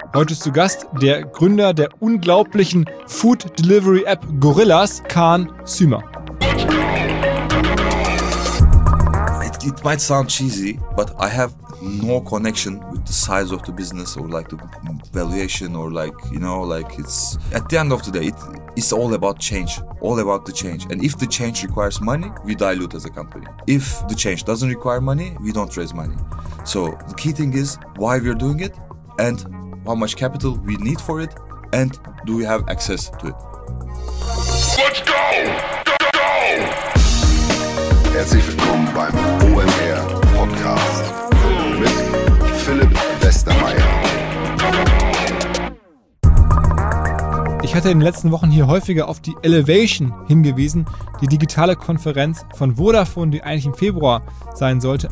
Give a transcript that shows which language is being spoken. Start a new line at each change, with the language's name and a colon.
German: Heute ist zu Gast der Gründer der unglaublichen Food-Delivery-App Gorillas, Khan Sümer.
English: It might sound cheesy, but I have no connection with the size of the business or like the valuation or like, you know, like it's... At the end of the day, it's all about change, all about the change. And if the change requires money, we dilute as a company. If the change doesn't require money, we don't raise money. So the key thing is why we're doing it and how much capital we need for it and do we have access to it. Let's go!
German: Herzlich willkommen beim OMR Podcast mit Philipp Westermeier. Ich hatte in den letzten Wochen hier häufiger auf die Elevation hingewiesen, die digitale Konferenz von Vodafone, die eigentlich im Februar sein sollte.